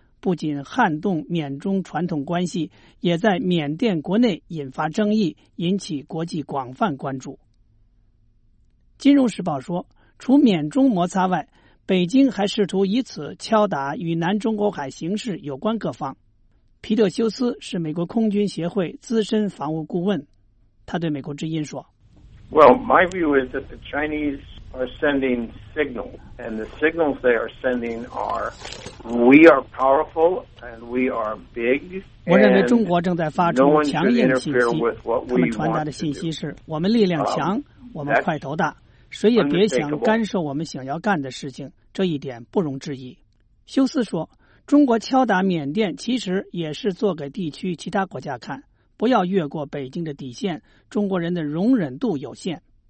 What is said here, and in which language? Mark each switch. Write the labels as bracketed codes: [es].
[zh] 不仅撼动缅中传统关系，也在缅甸国内引发争议，引起国际广泛关注。金融时报说，除缅中摩擦外，北京还试图以此敲打与南中国海形势有关各方。皮特休斯是美国空军协会资深防务顾问，他对美国之音说 [en] Well, my view is that the Chinese are sending signals, and the signals they are sending are we are powerful and we are big. [zh] 我认为中国正在发出强硬信息，他们传达的信息是我们力量强，我们块头大，谁也别想干涉我们想要干的事情，这一点不容置疑。休斯说，中国敲打缅甸其实也是做给地区其他国家看，不要越过北京的底线，中国人的容忍度有限。